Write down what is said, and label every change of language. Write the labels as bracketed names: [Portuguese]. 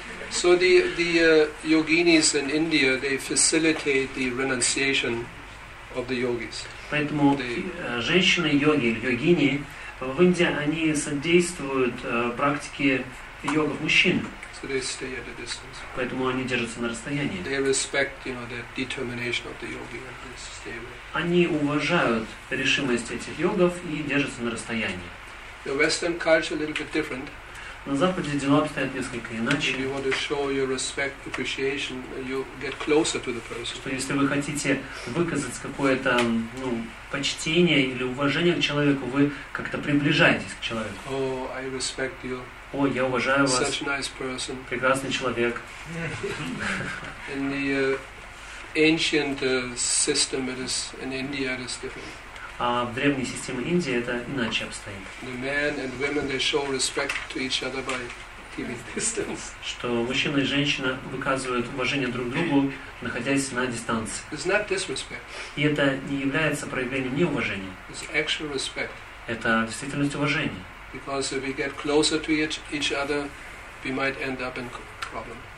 [English] So the yoginis in India, they facilitate the renunciation of the yogis. [Russian] Поэтому женщины-йоги, йогини, в Индии они содействуют практике йогов мужчин. [English] So they stay at a distance. [Russian] Поэтому они держатся на расстоянии. [English] They respect, you know, the determination of the yogi and they stay away. [Russian] Они уважают решимость этих йогов и держатся на расстоянии. [English] The Western culture a little bit different. [Russian] На Западе дела обстоят несколько иначе. [English] If you want to show your respect, appreciation, you get closer to the person. [Russian] Что если вы хотите выказать какое-то, ну, почтение или уважение к человеку, вы как-то приближаетесь к человеку. [English] Oh, I respect you. [Russian] О, я уважаю вас. [English] Such a nice person. [Russian] Прекрасный человек. [English] In the ancient system, it is in India, it is different. [Russian] А в древней системе Индии это иначе обстоит. [English] The men and women, they show respect to each other by keeping distance. [Russian] Что мужчина и женщина выказывают уважение друг другу, находясь на дистанции. [English] It's not disrespect. [Russian] И это не является проявлением неуважения. [English] It's actual respect. [Russian] Это действительно уважение. [English] Because if we get closer to each other, we might end up in problem.